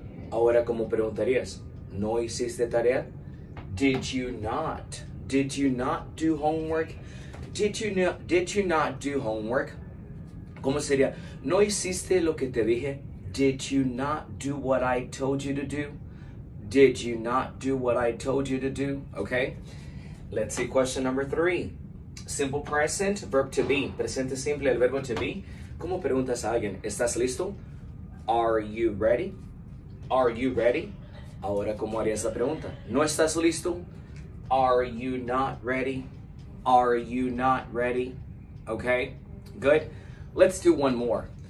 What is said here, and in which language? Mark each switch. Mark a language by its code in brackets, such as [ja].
[es] Ahora, ¿cómo preguntarías? ¿No hiciste tarea? [en] Did you not? Did you not do homework? Did you not do homework? [es] ¿Cómo sería? ¿No hiciste lo que te dije? [en] Did you not do what I told you to do? Did you not do what I told you to do? Okay. Let's see question number three. Simple present, verb to be. [es] Presente simple, el verbo to be. ¿Cómo preguntas a alguien? ¿Estás listo? [en] Are you ready? Are you ready? [es] Ahora, ¿cómo harías la pregunta? ¿No estás listo? [en] Are you not ready? Are you not ready? Okay. Good. Let's do one more.